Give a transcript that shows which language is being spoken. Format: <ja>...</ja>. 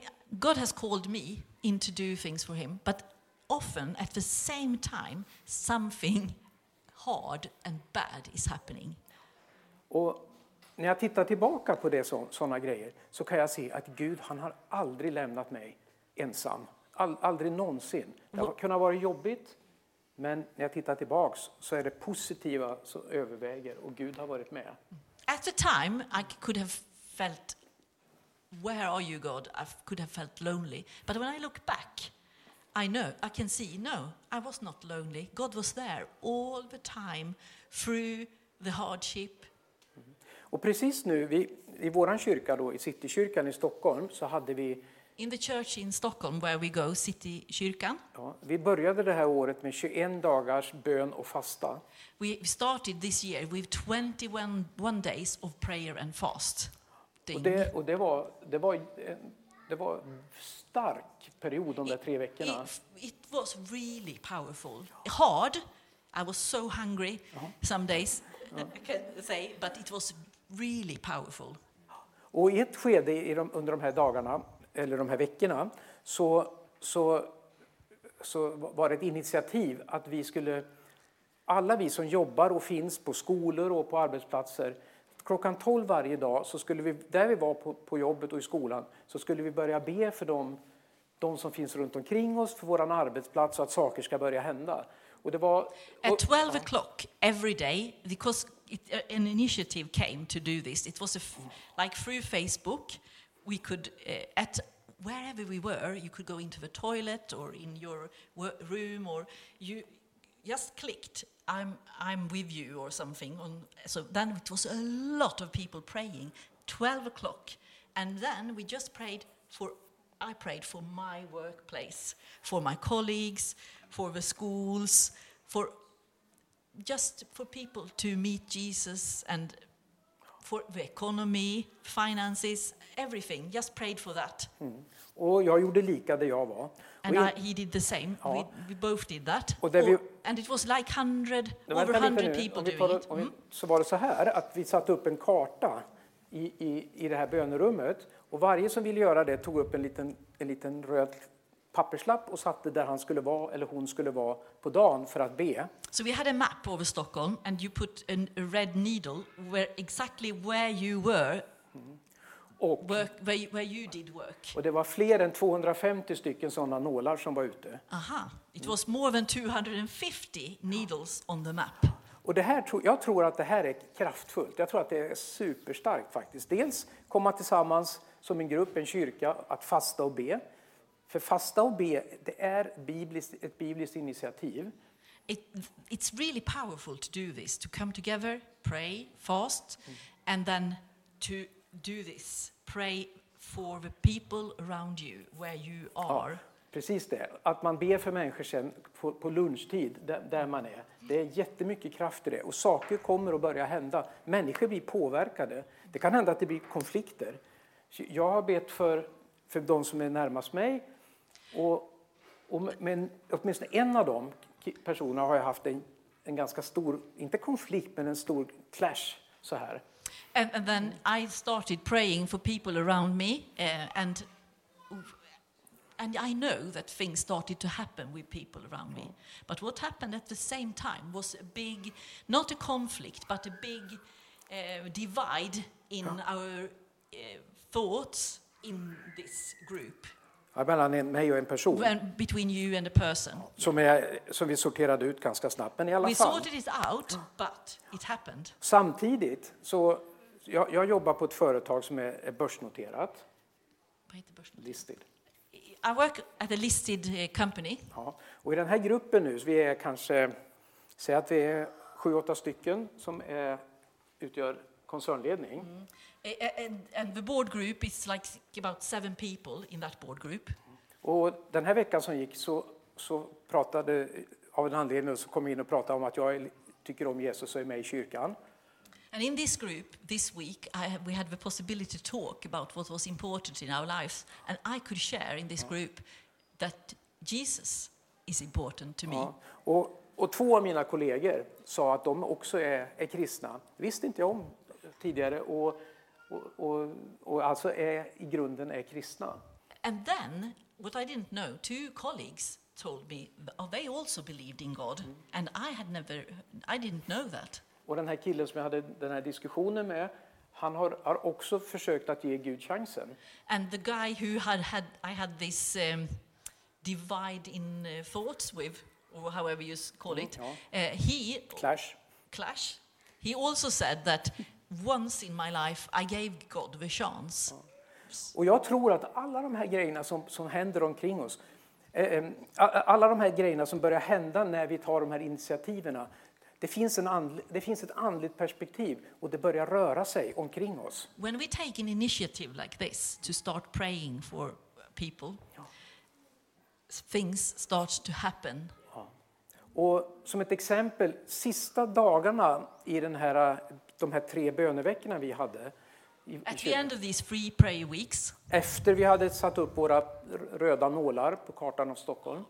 <en>God has called me in to do things for him, but often at the same time something hard and bad is happening.</en> <sv>Och när jag tittar tillbaka på det såna grejer, så kan jag se att Gud, han har aldrig lämnat mig ensam. Aldrig någonsin. Det har kunnat vara jobbigt, men när jag tittar tillbaks så är det positiva som överväger och Gud har varit med.</sv> <en>At the time I could have felt, where are you God? I could have felt lonely. But when I look back, I know, I can see, no, I was not lonely. God was there all the time through the hardship.</en> <sv>Och precis nu, i våran kyrka då, i Citykyrkan i Stockholm, så hade vi...</sv> <en>In the church in Stockholm where we go, Citykyrkan.</en> <sv>Ja, vi började det här året med 21 dagars bön och fasta.</sv> <en>We started this year with 21 days of prayer and fast.</en> <sv>Och det var stark period de där tre veckorna.</sv> <en>It was really powerful. Hard. I was so hungry some days. Ja. I can say, but it was really powerful.</en> <sv>Och i ett skede under de här dagarna eller de här veckorna, så så var det ett initiativ att vi skulle, alla vi som jobbar och finns på skolor och på arbetsplatser, klockan 12 varje dag så skulle vi, där vi var på jobbet och i skolan, så skulle vi börja be för de som finns runt omkring oss, för våran arbetsplats, så att saker ska börja hända. Och det var</sv> <en>at 12 o'clock every day, because an initiative came to do this. It was like through Facebook, we could at wherever we were, you could go into the toilet or in your room, or you just clicked I'm with you or something. On, so then it was a lot of people praying 12 o'clock, and then we just prayed for. I prayed for my workplace, for my colleagues, for the schools, for just for people to meet Jesus, and for the economy, finances, everything. Just prayed for that. Mm.</en> <sv>Och jag gjorde lika där jag var.</sv> <en>And he did the same. Ja. We both did that. And it was like 100, over 100 people doing it. Mm.</en> <sv>Så var det så här att vi satte upp en karta i det här bönerummet. Och varje som ville göra det tog upp en liten röd papperslapp och satte där han skulle vara eller hon skulle vara på dagen för att be.</sv> <en>So we had a map over Stockholm and you put a red needle where exactly where you were. Och work, where you did work.</en> <sv>Och det var fler än 250 stycken sådana nålar som var ute. Aha.</sv> <en>It was more than 250 needles on the map.</en> <sv>Och det här jag tror att det här är kraftfullt. Jag tror att det är superstarkt faktiskt. Dels komma tillsammans som en grupp, en kyrka, att fasta och be. För fasta och be, det är ett bibliskt initiativ.</sv> <en>It's really powerful to do this, to come together, pray, fast, and then to do this, pray for the people around you, where you are.</en> <sv>Ja, precis det. Att man ber för människor sen på lunchtid, där man är. Det är jättemycket kraft i det. Och saker kommer att börja hända. Människor blir påverkade. Det kan hända att det blir konflikter. Jag har bett för de som är närmast mig. Och men åtminstone en av de personerna har jag haft en ganska stor, inte konflikt, men en stor clash så här.</sv> <en>And then I started praying for people around me. And I know that things started to happen with people around me. But what happened at the same time was a big, not a conflict, but a big divide in our thoughts in this group.</en> <sv>Ja, mellan mig och en person.</sv> <en>Between you and a person.</en> <sv>Som vi sorterade ut ganska snabbt, men i alla</sv> <en>we</en> <sv>fall.</sv> <en>We sorted it out, but it happened.</en> <sv>Samtidigt, så jag jobbar på ett företag som är börsnoterat. Vad heter börsnoterat?</sv> <en>Listed. I work at a listed company.</en> <sv>Ja, och i den här gruppen nu, så vi är kanske, säg att vi är 7-8 stycken som utgör koncernledning. Mm.</sv> <en>And the board group is like about 7 people in that board group.</en> <sv>Och den här veckan som gick så pratade av en anledning så kom in och pratade om att jag tycker om Jesus och är med i kyrkan.</sv> <en>And in this group this week we had the possibility to talk about what was important in our lives, and I could share in this group that Jesus is important to me.</en> <sv>Ja. Och två av mina kollegor sa att de också är kristna. Visste inte jag om tidigare och alltså är i grunden är kristna.</sv> <en>And then what I didn't know, two colleagues told me that they also believed in God and I didn't know that.</en> <sv>Och den här killen som jag hade den här diskussionen med, han har också försökt att ge Gud chansen.</sv> <en>And the guy who I had this divide in thoughts with, or however you call it, clash. He also said that once in my life I gave God the chance.</en> <sv>Och jag tror att alla de här grejerna som händer omkring oss, alla de här grejerna som börjar hända när vi tar de här initiativen, det finns ett andligt perspektiv och det börjar röra sig omkring oss.</sv> <en>When we take an initiative like this to start praying for people, things start to happen.</en> <sv>Och som ett exempel, sista dagarna i de här tre böneveckorna vi hade.</sv> <en>At the end of these three prayer weeks.</en> <sv>Efter vi hade satt upp våra röda nålar på kartan av Stockholm.</sv>